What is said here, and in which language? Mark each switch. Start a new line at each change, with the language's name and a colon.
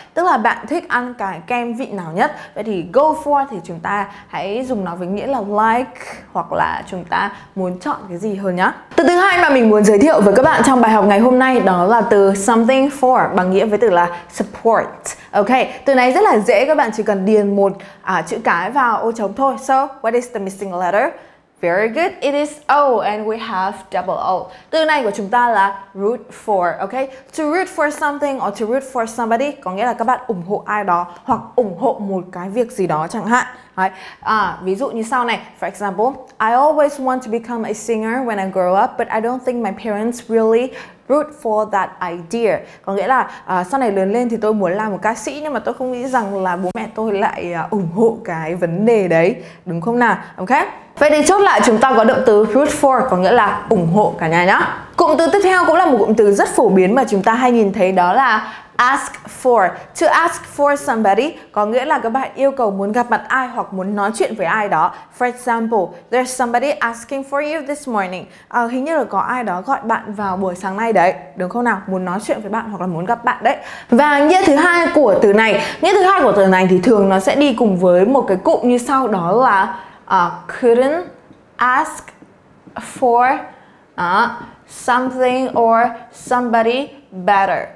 Vietnamese: Tức là bạn thích ăn cái kem vị nào nhất. Vậy thì go for thì chúng ta hãy dùng nó với nghĩa là like, hoặc là chúng ta muốn chọn cái gì hơn nhá. Từ thứ hai mà mình muốn giới thiệu với các bạn trong bài học ngày hôm nay đó là từ something for, bằng nghĩa với từ là support. Ok, từ này rất là dễ, các bạn chỉ cần điền một chữ cái vào ô trống thôi.
English: So, what is the missing letter? Very good, it is O and we have double O.
Vietnamese: Từ này của chúng ta là root for, ok?
English: To root for something or to root for somebody
Vietnamese: có nghĩa là các bạn ủng hộ ai đó hoặc ủng hộ một cái việc gì đó chẳng hạn. Ví dụ như sau này,
English: for example, I always want to become a singer when I grow up, but I don't think my parents really root for that idea.
Vietnamese: Có nghĩa là sau này lớn lên thì tôi muốn làm một ca sĩ nhưng mà tôi không nghĩ rằng là bố mẹ tôi lại ủng hộ cái vấn đề đấy, đúng không nào? Ok? Vậy thì chốt lại chúng ta có động từ root for có nghĩa là ủng hộ cả nhà nhá. Cụm từ tiếp theo cũng là một cụm từ rất phổ biến mà chúng ta hay nhìn thấy, đó là ask for.
English: To ask for somebody
Vietnamese: có nghĩa là các bạn yêu cầu muốn gặp mặt ai hoặc muốn nói chuyện với ai đó.
English: For example, there's somebody asking for you this morning.
Vietnamese: Hình như là có ai đó gọi bạn vào buổi sáng nay đấy, đúng không nào? Muốn nói chuyện với bạn hoặc là muốn gặp bạn đấy. Và nghĩa thứ hai của từ này, nghĩa thứ hai của từ này thì thường nó sẽ đi cùng với một cái cụm như sau, đó là
English: couldn't ask for something or somebody better.